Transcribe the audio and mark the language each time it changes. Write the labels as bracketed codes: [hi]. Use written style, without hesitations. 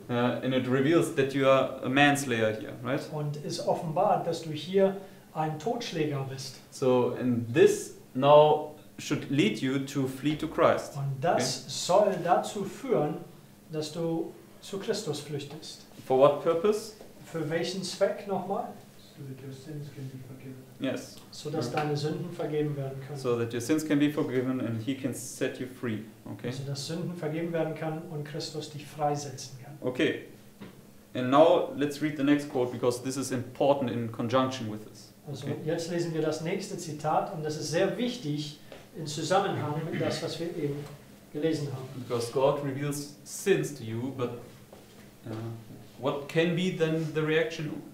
[en] And it reveals that you are a manslayer here, right? [de] Und es offenbart, dass du hier ein Totschläger bist. [en] So and this now should lead you to flee to Christ. [de] Und das soll dazu führen, dass du zu Christus flüchtest. [en] For what purpose? [de] Für welchen Zweck nochmal? [en] So that your sins can be forgiven. Yes. [de] So dass deine Sünden vergeben werden können. [en] So that your sins can be forgiven and he can set you free. Okay. [de] So dass Sünden vergeben werden kann und Christus dich freisetzen kann. [en] Okay. And now let's read the next quote, because this is important in conjunction with this. [de] Also jetzt lesen wir das nächste Zitat, und das ist sehr wichtig in Zusammenhang mit das, was wir eben gelesen haben. [en] Because God reveals sins to you, but what can be then the reaction?